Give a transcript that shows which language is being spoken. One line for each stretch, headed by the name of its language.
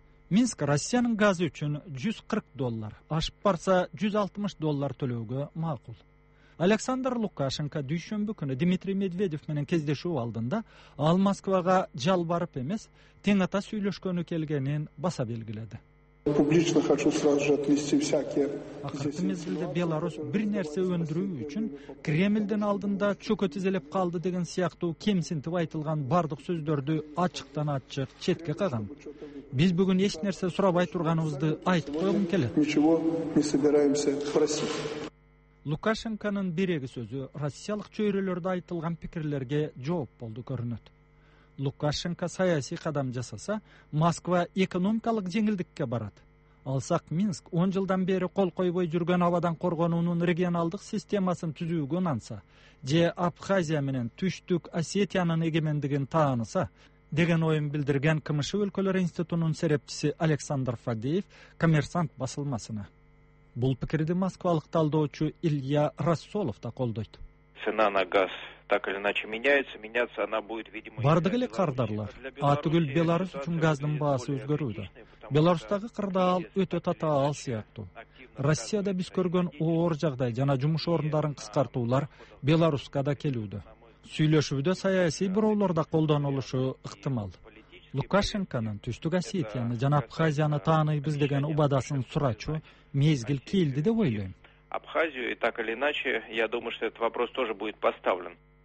Kyrgyz: Минск Россиянын газы үчүн 140 доллар, ашып барса 160 доллар төлөөгө макул. Александр Лукашенко дүйшөмбү күнү Дмитрий Медведев менен кездешүү алдында ал Москвага жалбарып эмес, тең ата сүйлөшкөнү келгенин баса белгиледи.
Russian: Публично хочу сразу же отнести всякие.
Kyrgyz: Акыркы мезгилде Беларусь бир нерсе өндүрүү үчүн Кремлдин алдында чөкө тизелеп калды деген сыяктуу кемсинтип айтылган бардык сөздөрдү ачыктан ачык четке кагам. Биз бүгүн эч нерсе сурабай турганыбызды айтып койгум келет.
Russian: Ничего не собираемся просить.
Kyrgyz: Лукашенконун биреги сөзү россиялык чөйрөлөрдө айтылган пикирлерге жооп болду көрүнөт. Лукашенко саясий кадам жасаса, Москва экономикалык жеңилдикке барат. Алсак Минск 10 жылдан бери кол койбой жүргөн абадан коргонуунун регионалдык системасын түзүүгөн анса же Абхазия менен Түштүк Осетиянын эгемендигин тааныса деген оюн билдирген КМШ өлкөлөр институтунун серепчиси Александр Фадеев Коммерсант басылмасына. Бул пикирди москвалык талдоочу Илья Рассолов да колдойт.
Russian: Цена на газ так или иначе меняется, меняться она будет, видимо.
Kyrgyz: Бардык эле кардарлар, атүгүл Беларусь үчүн газдын баасы өзгөрүүдө. Беларусьтагы кырдаал өтө татаал сыяктуу. Россияда биз көргөн оор жагдай жана жумуш орундарын кыскартуулар Беларуска да келүүдө. Сүйлөшүүдө саясий бороолор да колдонулушу ыктымал. Лукашенконун Түштүк Осетияны жана Абхазияны тааныйбыз деген убадасын сурачу мезгил келди деп ойлойм.
Russian: Абхазию и так или иначе, я думаю, что этот вопрос тоже будет поставлен.